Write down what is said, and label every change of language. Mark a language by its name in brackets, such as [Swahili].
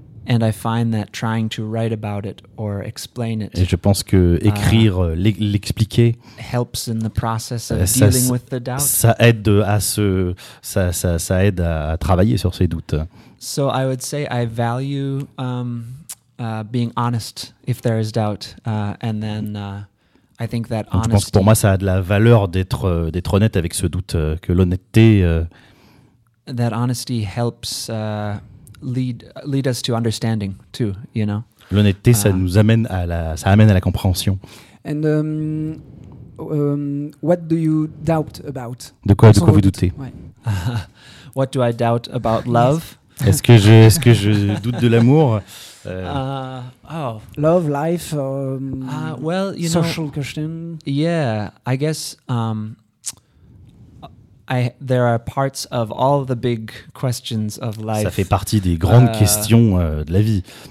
[English] And I find that trying to write about it or explain it. [French] Et je pense que écrire, l'expliquer. [English] Helps in the process of dealing with the doubt. [French] Ça aide ça aide à travailler sur ces doutes. [English] So I would say I value being honest if there is doubt, and then I think that honesty. [French] Je pense que pour moi, ça a de la valeur d'être honnête avec ce doute, que l'honnêteté. [English] That honesty helps. Lead us to understanding too, you know. [French] L'honnêteté, ça nous amène à ça amène à la compréhension. [English] And what do you doubt about? [French] De quoi vous doutez? [English] What do I doubt about love? [French] Est-ce que je doute de l'amour? [English] Love, life, well, you social know, question. Yeah, I guess. There are parts of all the big questions of life. [French] Ça fait partie des grandes questions de la vie.